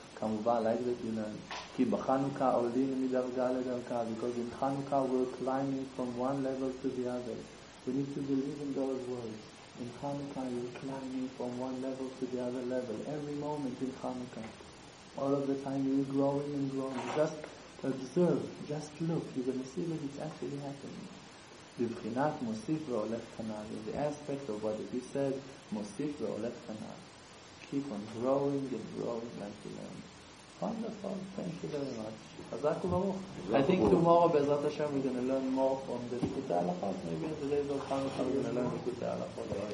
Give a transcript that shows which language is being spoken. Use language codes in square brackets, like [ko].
[en] כמובן, like that you learn. [he] כי בחנוכה עולים מדרגה לדרגה, [en] because in Hanukkah we're climbing from one level to the other. We need to believe in those words. In Hanukkah you're climbing from one level to the other level. Every moment in Hanukkah, all of the time you're growing and growing. Just observe, just look. You're going to see that it's actually happening. [he] בבחינת מוסיף והולך כנעד. [en] The aspect of what he said, [he] מוסיף והולך כנעד. [en] Keep on growing and growing like you learn. Wonderful. Thank you very much. [he] חזק וברוך. [en] I think tomorrow, [he] בעזרת השם, [en] we're going to learn more from the Nikutei Halachot. Maybe in the days of Chanukah, we're going to learn Nikutei Halachot.